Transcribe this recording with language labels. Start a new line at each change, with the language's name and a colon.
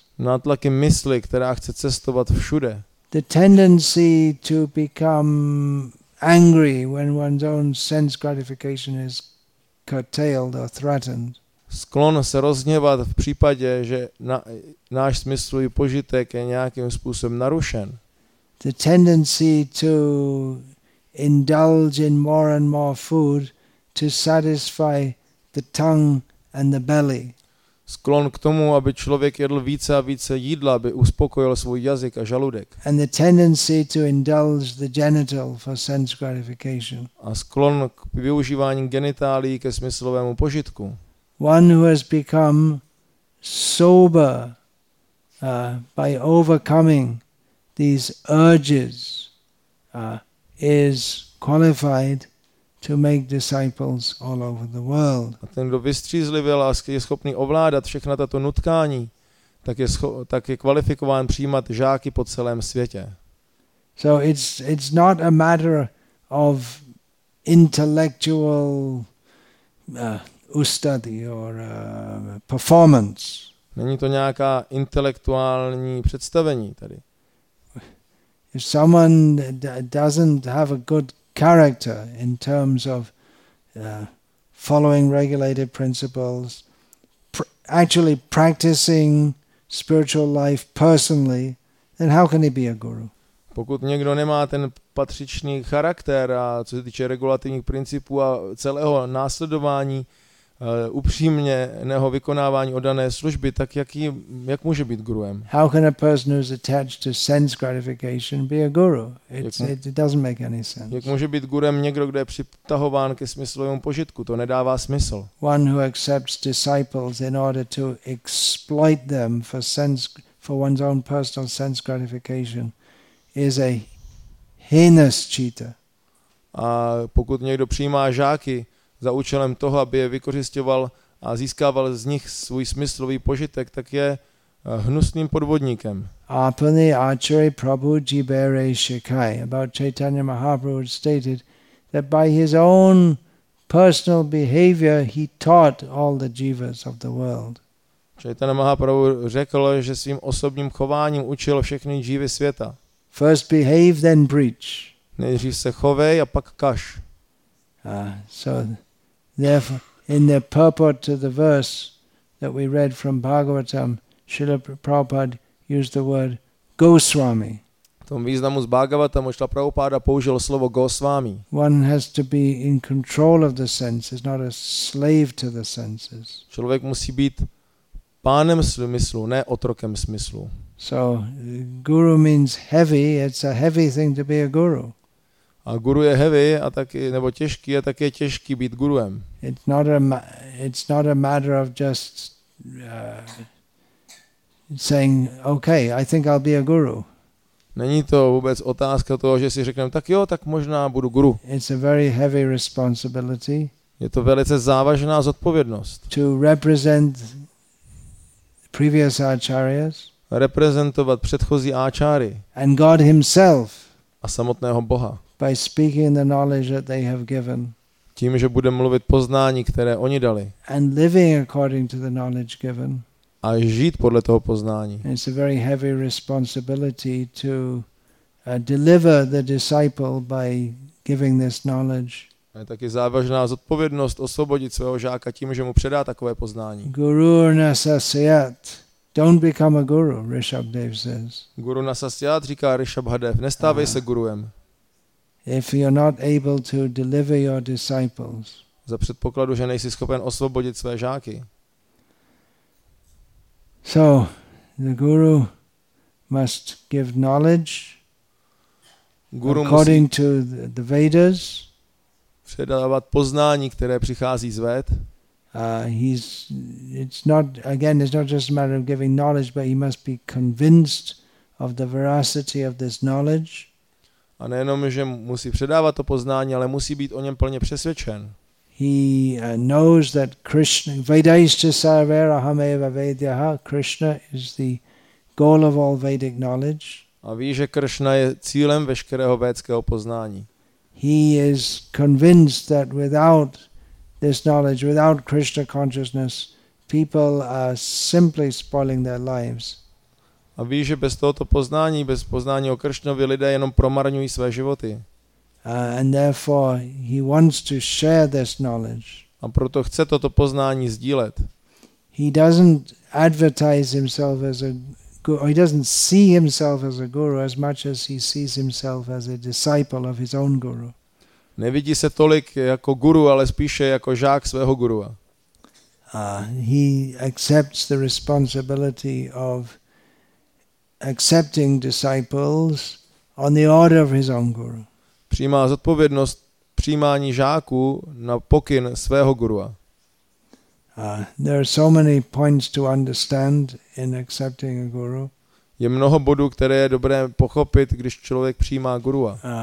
Czech: nátlaky mysli, která chce cestovat všude,
English: the tendency to become angry when one's own sense gratification is curtailed or threatened,
Czech: sklon se rozhněvat v případě, že náš smyslový požitek je nějakým způsobem narušen.
English: The tendency to indulge in more and more food to satisfy the tongue and the belly.
Czech: Sklon k tomu, aby člověk jedl více a více jídla, aby uspokojil svůj jazyk a žaludek.
English: And the tendency to indulge the genital for sense gratification.
Czech: A sklon k využívání genitálií ke smyslovému požitku.
English: One who has become sober by overcoming these urges is qualified to make disciples all over the world.
Czech: A ten, kdo vystřízlivěl a je schopný ovládat všechna tato nutkání, tak je kvalifikován přijímat žáky po celém světě.
English: So it's not a matter of intellectual study or performance.
Czech: Není to nějaká intelektuální představení tady.
English: If someone doesn't have a good character in terms of following regulated principles, actually practicing spiritual life personally, then how can he be a guru?
Czech: Pokud někdo nemá ten patřičný charakter a co se týče regulativních principů a celého následování upřímně neho vykonávání oddané služby, tak jak může být guruem?
English: How can a person who is attached to sense gratification be a guru? It doesn't make any sense.
Czech: Jak může být guruem někdo, kdo je přitahován ke smyslovému požitku? To nedává smysl.
English: One who accepts disciples in order to exploit them for one's own personal sense gratification is a heinous cheater.
Czech: A pokud někdo přijímá žáky za účelem toho, aby je vykořisťoval a získával z nich svůj smyslový požitek, tak je hnusným podvodníkem.
Bangla: Apani Achary Prabhu Jibere Shikai
English: about Chaitanya Mahaprabhu stated that by his own personal behavior he taught all the jivas of the world.
Czech: Chaitanya Mahaprabhu řekl, že svým osobním chováním učil všechny jivy světa.
English: First behave, then preach.
Czech: Nejdřív se chovej a pak kaš.
English: So therefore, in the purport to the verse that we read from Bhagavatam, Srila Prabhupada used the word Goswami.
Czech: V tom významu z Bhagavatam Srila Prabhupada použil slovo Goswami.
English: One has to be in control of the senses, not a slave to the senses.
Czech: Člověk musí být pánem smyslu, ne otrokem smyslu.
English: So guru means heavy. It's a heavy thing to be a guru.
Czech: A guru je heavy a taky nebo těžký a taky je těžký být guruem.
English: It's not a matter of just saying okay, I think I'll be a guru.
Czech: Není to vůbec otázka toho, že si řekneme tak jo, tak možná budu guru.
English: It's a very heavy responsibility.
Czech: Je to velice závažná zodpovědnost.
English: To represent previous acharyas.
Czech: Reprezentovat předchozí áčáry.
English: And God himself.
Czech: A samotného Boha.
English: By speaking the knowledge that they have given.
Czech: Tím, že budeme mluvit poznání, které oni dali.
English: And living according to the knowledge given.
Czech: A žít podle toho poznání.
English: And it's a very heavy responsibility to deliver the disciple by giving this knowledge.
Czech: A je taky závažná zodpovědnost osvobodit svého žáka tím, že mu předá takové poznání.
Sanskrit: Guru nasasyat.
English: Don't become a guru, Rishabhdev says.
Sanskrit: Guru nasasyat,
Czech: říká Rishabhdev, nestávej se guruem.
English: If you're not able to deliver your disciples.
Czech: Za předpokladu, že nejsi schopen osvobodit své žáky.
English: So, the guru must give knowledge.
Czech: Guru
English: according
Czech: musí
English: to the Vedas.
Czech: Předávat poznání, které přichází z Véd.
English: It's not just a matter of giving knowledge, but he must be convinced of the veracity of this knowledge.
Czech: A nejenom, že musí předávat to poznání, ale musí být o něm plně přesvědčen.
English: He knows that Krishna,
Sanskrit: Vedaischa Sarvaharameva Vedyaha,
English: Krishna is the goal of all Vedic knowledge.
Czech: A ví, že Krishna je cílem veškerého védského poznání.
English: He is convinced that without this knowledge, without Krishna consciousness, people are simply spoiling their lives.
Czech: A ví, že bez tohoto poznání, bez poznání o Kršnovi, lidé jenom promarňují své životy.
English: And therefore he wants to share this knowledge.
Czech: A proto chce toto poznání sdílet.
English: He doesn't advertise himself as a guru, he doesn't see himself as a guru as much as he sees himself as a disciple of his own guru.
Czech: nevidí se tolik jako guru, ale spíše jako žák svého gurua.
English: He accepts the responsibility of accepting disciples on the order of his own guru.
Czech: Přijímá zodpovědnost přijímání žáků na pokyn svého gurua.
English: There are so many points to understand in accepting a guru.
Czech: Je mnoho bodů, které je dobré pochopit, když člověk přijímá gurua.